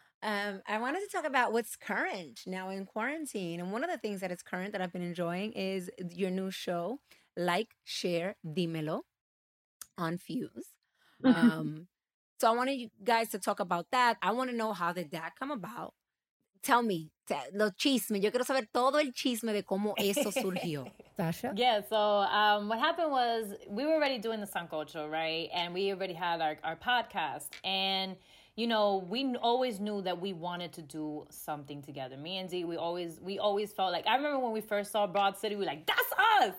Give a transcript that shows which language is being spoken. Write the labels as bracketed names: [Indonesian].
[English] I wanted to talk about what's current now in quarantine. And one of the things that is current that I've been enjoying is your new show, Like, Share, Dímelo on Fuse. So I wanted you guys to talk about that. I want to know how did that come about. Tell me. [Spanish] Lo chisme. Yo quiero saber todo el chisme de cómo eso surgió. [English] Sasha? Yeah, so what happened was we were already doing the Sancocho, right? And we already had our podcast. And, you know, we always knew that we wanted to do something together. Me and Z, we always felt like, I remember when we first saw Broad City, we were like, that's us!